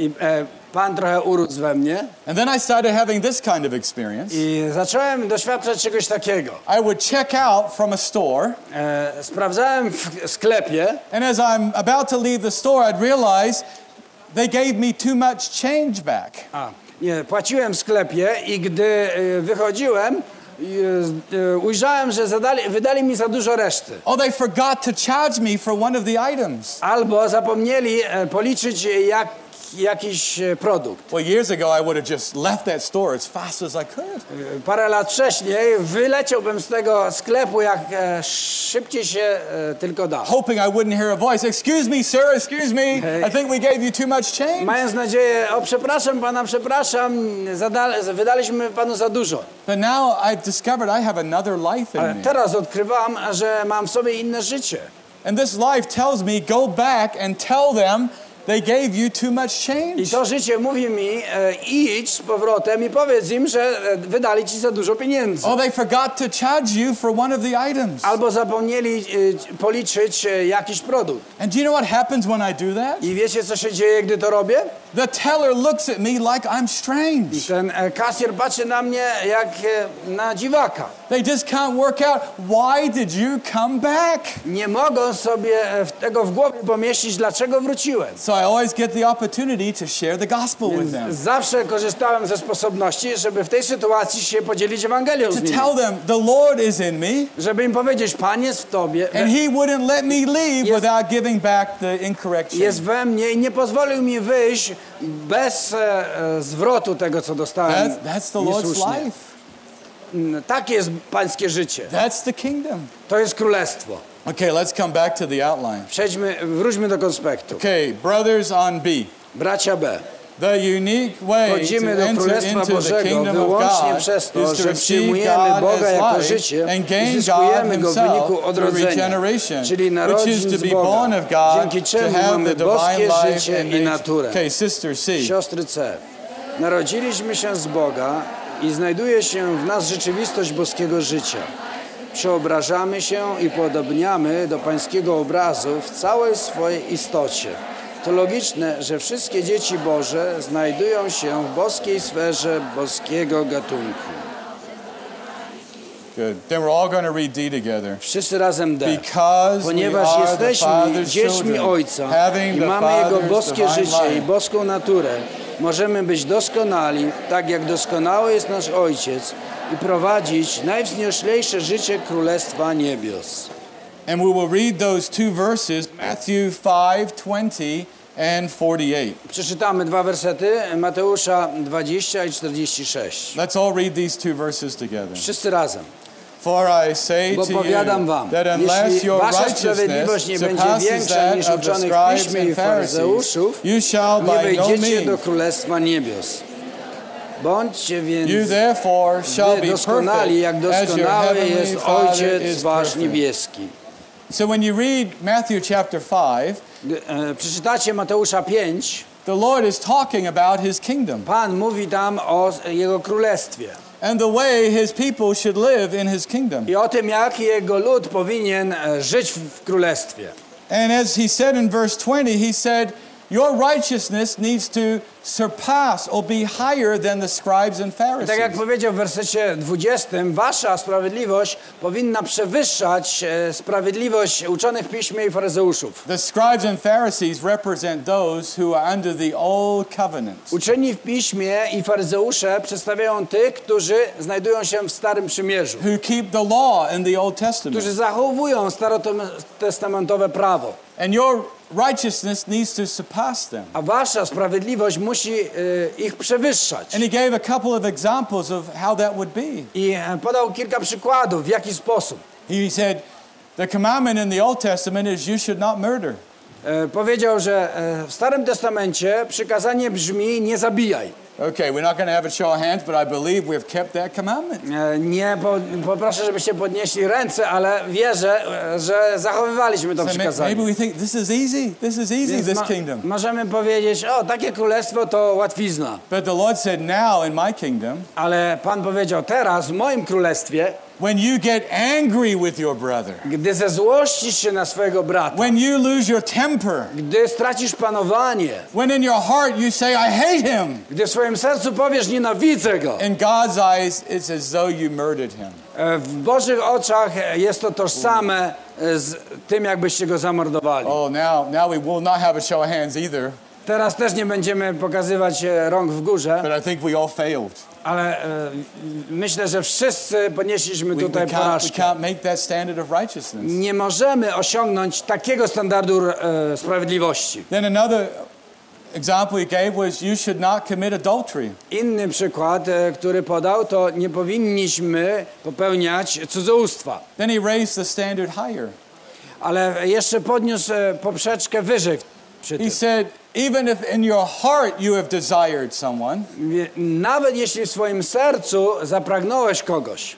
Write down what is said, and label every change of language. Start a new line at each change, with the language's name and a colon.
Polish: I Pan trochę urósł we mnie.
English: And then I started having this kind of experience.
Polish: I zacząłem doświadczać czegoś takiego.
English: I would check out from a store.
Polish: Sprawdzałem w sklepie.
English: And as I'm about to leave the store, I'd realize they gave me too much change back.
Polish: Nie, płaciłem w sklepie i gdy wychodziłem, ujrzałem, że wydali mi za dużo reszty.
English: Oh, they forgot to charge me for one of the items.
Polish: Albo zapomnieli policzyć jakiś produkt.
English: Well, years ago I would have just left that store as fast as I could.
Polish: Parę lat wcześniej wyleciałbym z tego sklepu jak szybciej się tylko da.
English: Hoping I wouldn't hear a voice. Excuse me, sir, excuse me. I think we gave you too much change.
Polish: Mając nadzieję, przepraszam pana, przepraszam, wydaliśmy panu za dużo.
English: But now I've discovered I have another life in me.
Polish: Teraz odkrywam, że mam w sobie inne życie.
English: And this life tells me go back and tell them They gave you too much change.
Polish: I to życie mówi mi, idź z powrotem i powiedz im, że wydali ci za dużo pieniędzy.
English: Or they forgot to charge you for one of the items.
Polish: Albo zapomnieli policzyć jakiś produkt.
English: And do you know what happens when I do that?
Polish: I wiecie, co się dzieje, gdy to robię?
English: The teller looks at me like I'm strange.
Polish: I ten kasjer patrzy na mnie jak na dziwaka.
English: They just can't work out why did you come back?
Polish: Nie mogą sobie tego w głowie pomieścić, dlaczego wróciłem.
English: So I always get the opportunity to share the gospel with them.
Polish: Zawsze korzystałem ze sposobności, żeby w tej sytuacji się podzielić Ewangelią z nimi.
English: To tell them the Lord is in me.
Polish: Żeby im powiedzieć, Pan jest w tobie.
English: And he wouldn't let me leave without giving back the incorrect change.
Polish: Jest we mnie i nie pozwolił mi wyjść bez zwrotu tego, co dostałem.
English: That's the Lord's life.
Polish: Tak jest pańskie życie.
English: That's the kingdom.
Polish: To jest królestwo.
English: Okay, let's come back to the outline.
Polish: Przejdźmy, wróćmy do konspektu.
English: Okay, brothers on B.
Polish: Bracia B.
English: The unique way
Polish: wchodzimy
English: to enter into
Polish: Bożego,
English: the kingdom of God
Polish: przez to,
English: is to receive God
Polish: Boga
English: as life
Polish: życie,
English: and gain God himself through regeneration, which is to be born of God, to have the divine life and nature. Okay, sister C.
Polish: Siostry C. Narodziliśmy się z Boga i znajduje się w nas rzeczywistość boskiego życia. Przeobrażamy się i podobniamy do pańskiego obrazu w całej swojej istocie. To logiczne, że wszystkie dzieci Boże znajdują się w boskiej sferze boskiego gatunku.
English: Good. Then we're all going to read D together.
Polish: Wszyscy razem D.
English: Because
Polish: ponieważ jesteśmy dziećmi Ojca i mamy Jego boskie życie i boską naturę, możemy być doskonali, tak jak doskonały jest nasz Ojciec i prowadzić najwznioślejsze życie Królestwa Niebios.
English: And we will read those two verses, Matthew 5:20 and 48.
Polish: Przeczytamy dwa wersety, Mateusza 20 i 46.
English: Let's all read these two verses together.
Polish: Wszyscy razem.
English: For I say to you, that unless your righteousness surpasses that of the scribes and Pharisees, you shall by no means.
Polish: Bądźcie więc
English: you therefore shall be
Polish: doskonali, jak doskonały jest Ojciec wasz niebieski.
English: So when you read Matthew chapter 5,
Polish: przeczytacie Mateusza 5,
English: the Lord is talking about his kingdom.
Polish: Pan mówi tam o jego królestwie.
English: And the way his people should live in his kingdom.
Polish: I o tym, jak jego lud powinien żyć w królestwie.
English: And as he said in verse 20, he said, your righteousness needs to surpass or be higher than the scribes and Pharisees.
Polish: Tak jak powiedział w wersecie 20, wasza sprawiedliwość powinna przewyższać sprawiedliwość uczonych w piśmie i faryzeuszów.
English: The scribes and Pharisees represent those who are under the old covenant.
Polish: Uczeni w piśmie i faryzeusze przedstawiają tych, którzy znajdują się w starym przymierzu.
English: Who keep the law in the Old Testament.
Polish: Którzy zachowują starotestamentowe prawo.
English: And your righteousness needs to surpass them.
Polish: A wasza sprawiedliwość musi ich przewyższać.
English: And he gave a couple of examples of how that would be.
Polish: I podał kilka przykładów, w jaki sposób.
English: He said, the commandment in the Old Testament is you should not murder.
Polish: Powiedział, że w Starym Testamencie przykazanie brzmi nie zabijaj.
English: Okay, we're not going to have a show of hands, but I believe we've kept that commandment.
Polish: Nie, poproszę, żebyście podnieśli ręce, ale wierzę, że zachowywaliśmy to przykazanie.
English: Maybe we think this is easy, this kingdom.
Polish: Możemy powiedzieć, o, takie królestwo to łatwizna.
English: But the Lord said, now in my kingdom.
Polish: Ale Pan powiedział, teraz w moim królestwie.
English: When you get angry with your brother.
Polish: Gdy zezłościsz się na swojego brata.
English: When you lose your temper.
Polish: Gdy stracisz panowanie.
English: When in your heart you say, I hate him.
Polish: Gdy w swoim sercu powiesz, nienawidzę go.
English: In God's eyes, it's as though you murdered him.
Polish: W Bożych oczach jest to tożsame z tym, jakbyście go zamordowali.
English: Oh, now we will not have a show of hands either.
Polish: Teraz też nie będziemy pokazywać rąk w górze.
English: But I think we all failed.
Polish: Ale myślę, że wszyscy ponieśliśmy tutaj porażkę. Nie możemy osiągnąć takiego standardu sprawiedliwości.
English: Then another example he gave was you should not commit adultery.
Polish: Inny przykład, który podał, to nie powinniśmy popełniać cudzołóstwa.
English: Then he raised the standard higher.
Polish: Ale jeszcze podniósł poprzeczkę wyżej.
English: He said, even if in your heart you have desired someone,
Polish: nawet jeśli w swoim sercu zapragnąłeś kogoś,